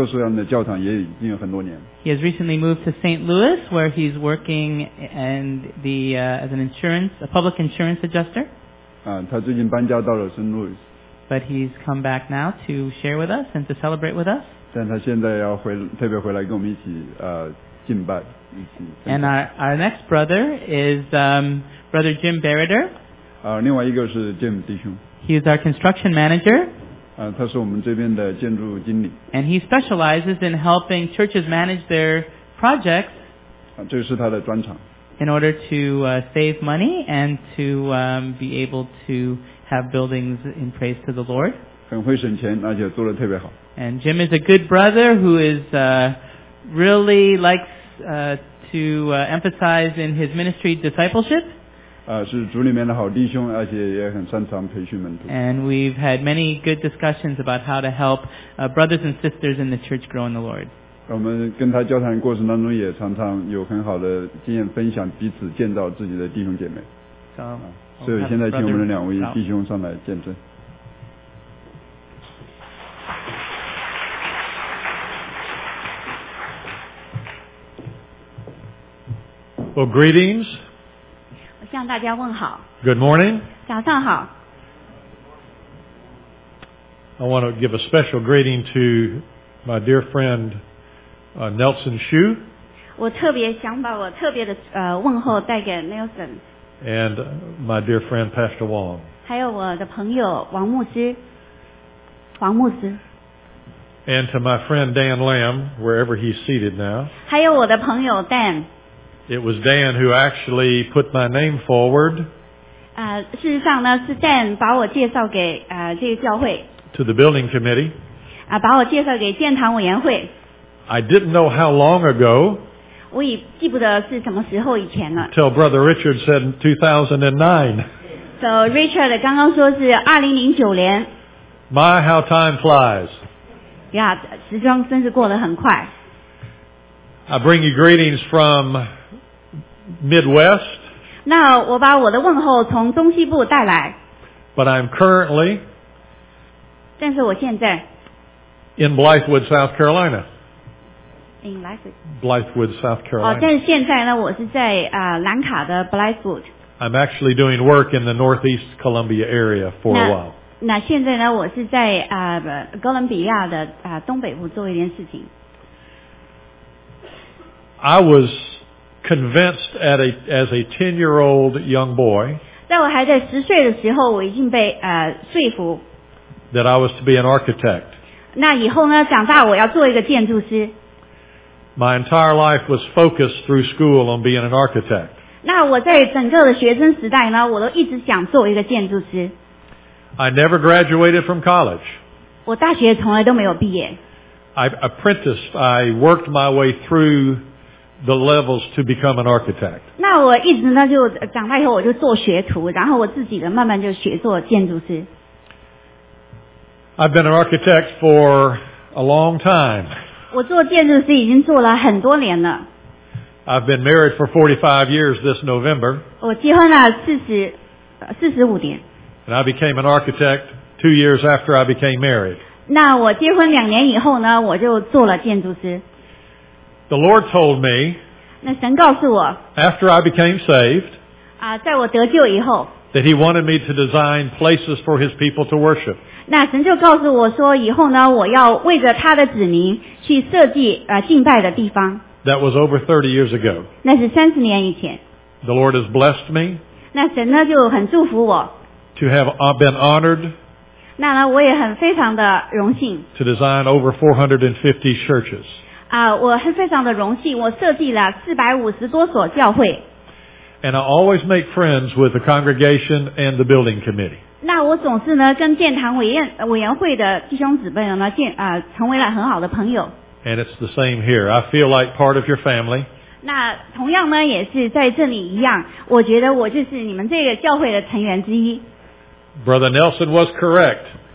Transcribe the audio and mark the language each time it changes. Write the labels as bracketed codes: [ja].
[en] He has recently moved to St. Louis, where he's working and the as an insurance, a public insurance adjuster. But he's come back now to share with us and to celebrate with us. [zh] 但他现在要回来跟我们一起敬拜。 [en] And our next brother is Brother Jim Barrider. [zh] 另外一个是Jim弟兄。 [en] He is our construction manager. [zh] 他是我们这边的建筑经理。 [en] And he specializes in helping churches manage their projects. [zh] 这是他的专长。 [en] In order to save money and to be able to have buildings in praise to the Lord. [zh] 很会省钱，而且做得特别好。 [en] And Jim is a good brother who is really likes to emphasize in his ministry discipleship. [zh] 是主里面的好弟兄，而且也很擅长培训门徒。 [en] And we've had many good discussions about how to help brothers and sisters in the church grow in the Lord. [zh] 我们跟他交谈过程当中也常常有很好的经验分享，彼此建造自己的弟兄姐妹。所以现在请我们的两位弟兄上来见证。 [en] Well, greetings. [zh] 我向大家问好. [en] Good morning. [zh] 早上好. [en] I want to give a special greeting to my dear friend Nelson Hsu. [zh] 我特别想把我特别的问候带给 Nelson. [en] And my dear friend Pastor Wong. [zh] 还有我的朋友王牧师。王牧师。 [en] And to my friend Dan Lam, wherever he's seated now. [zh] 还有我的朋友 Dan. [en] It was Dan who actually put my name forward. [zh] 事实上呢，是 Dan 把我介绍给 这个教会 [en] to the building committee. [zh] 把我介绍给建堂委员会. [en] I didn't know how long ago. [zh] 我已记不得是什么时候以前了. [en] Till Brother Richard said 2009. So [zh] Richard 刚刚说是 2009年. [en] My, how time flies. [zh] Yeah, 时装真是过得很快. [en] I bring you greetings from Midwest. [zh] 那我把我的问候从中西部带来. [en] But I'm currently. [zh] 但是我现在. [en] In Blythewood, South Carolina. In Blythewood. Blythewood, South Carolina. [zh] 但是现在呢，我是在 兰卡的 Blythewood. [en] I'm actually doing work in the Northeast Columbia area for a while. [zh] 那现在呢，我是在 哥伦比亚的 东北部 做一件事情. [en] I was convinced as a 10-year-old young boy [zh] 在我还在十岁的时候，我已经被说服。 [en] That I was to be an architect. [zh] 那以后呢？长大我要做一个建筑师。 [en] My entire life was focused through school on being an architect. [zh] 那我在整个的学生时代呢，我都一直想做一个建筑师。 [en] I never graduated from college. [zh] 我大学从来都没有毕业。 [en] I apprenticed. I worked my way through the levels to become an architect. [zh] 那我一直呢就长大以后我就做学徒，然后我自己的慢慢就学做建筑师。 [en] I've been an architect for a long time. [zh] 我做建筑师已经做了很多年了。 [en] I've been married for 45 years this November. [zh] 我结婚了45年。 [en] And I became an architect 2 years after I became married. [zh] 那我结婚两年以后呢，我就做了建筑师。 [en] The Lord told me, [zh] 那神告诉我, [en] after I became saved, [zh] 在我得救以后, [en] that he wanted me to design places for his people to worship. [zh] 那神就告诉我说, 以后呢, 我要为着他的子民去设计, 敬拜的地方。 [en] That was over 30 years ago. [zh] 那是30年以前。 [en] The Lord has blessed me, [zh] 那神呢, 就很祝福我, [en] to have been honored, [zh] 那呢, 我也很非常的荣幸, [en] to design over 450 churches. [zh] 我非常的荣幸，我设计了450多所教会。 [en] And I always make friends with the congregation and the building committee. [zh] 那我总是呢跟建堂委员会的弟兄姊妹呢成为了很好的朋友。 [en] And it's the same here. I feel like part of your family. [zh] 那同样呢也是在这里一样，我觉得我就是你们这个教会的成员之一。 [en] Brother Nelson was correct.